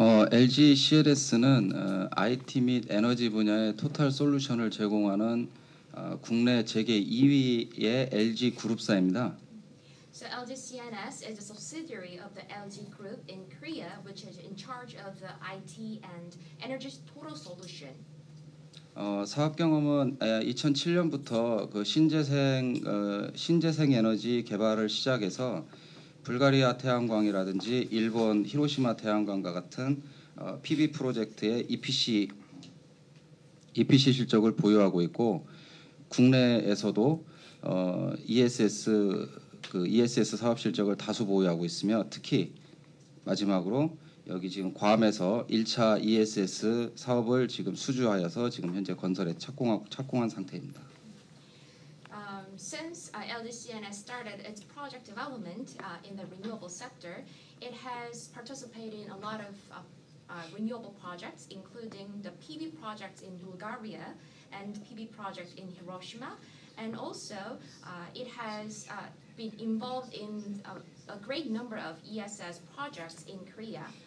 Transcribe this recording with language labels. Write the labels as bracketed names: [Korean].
[Korean] LG CNS는 IT 및 에너지 분야의 토탈 솔루션을 제공하는 국내 재계 2위의 LG 그룹사입니다. [English] So LGCNS is a subsidiary of the LG Group in Korea, which is in charge of the IT and energy total solution. [Korean] 사업 경험은 2007년부터 그 신재생 에너지 개발을 시작해서 불가리아 태양광이라든지 일본 히로시마 태양광과 같은 PV 프로젝트의 EPC 실적을 보유하고 있고 국내에서도 ESS 사업 실적을 다수 보유하고 있으며 특히 마지막으로 여기 지금 괌에서 1차 ESS 사업을 지금 수주하여서 지금 현재 건설에 착공한 상태입니다. [English] Since LGCNS started its project development in the renewable sector, it has participated in a lot of renewable projects including the PV project in Bulgaria and PV project in Hiroshima. And also, it has been involved in a great number of ESS projects in Korea.